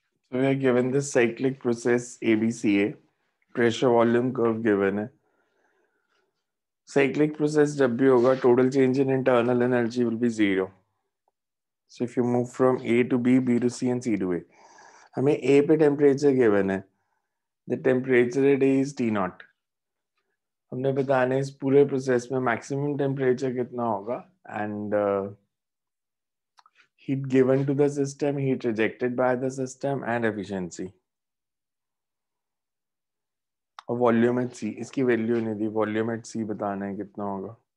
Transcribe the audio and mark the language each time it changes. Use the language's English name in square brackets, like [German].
[English] So we are given the cyclic process ABCA, pressure volume curve given. Cyclic process W होगा, total change in internal energy will be zero. So if you move from A to B, B to C and C to A. [Hindi] हमें A पे temperature given है. [English] The temperature at A is T naught. [Hindi] हमने बताने इस पूरे process में maximum temperature कितना होगा [English] and heat given to the system, heat rejected by the system and efficiency. [Hindi] और volume at C, इसकी value नहीं दी, volume at C बताना है कितना होगा.